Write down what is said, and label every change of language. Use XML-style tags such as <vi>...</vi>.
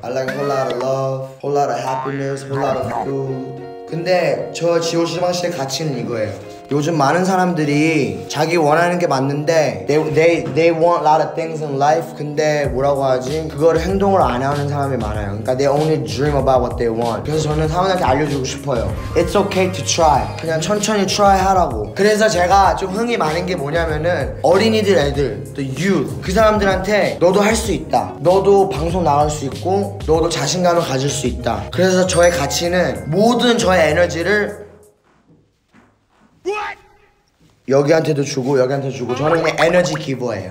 <en>I like whole lot of love, whole lot of happiness, whole lot of food.</en> <ko>근데 저 지효 지방 씨의 가치는 이거예요. 요즘 많은 사람들이 자기 원하는 게 맞는데</ko> <en>they want a lot of things in life.</en> <ko>근데 뭐라고 하지? 그거를 행동을 안 하는 사람이 많아요. 그러니까</ko> <en>they only dream about what they want.</en> <ko>그래서 저는 사람들한테 알려주고 싶어요.</ko> <en>It's okay to try.</en> <ko>그냥 천천히 try 하라고. 그래서 제가 좀 흥이 많은 게 뭐냐면은 어린이들 애들, the youth 그 사람들한테 너도 할 수 있다. 너도 방송 나갈 수 있고 너도 자신감을 가질 수 있다. 그래서 저의 가치는 모든 저의 에너지를 여기한테도 주고 여기한테도 주고 저는 그냥 에너지 기부예요.</ko>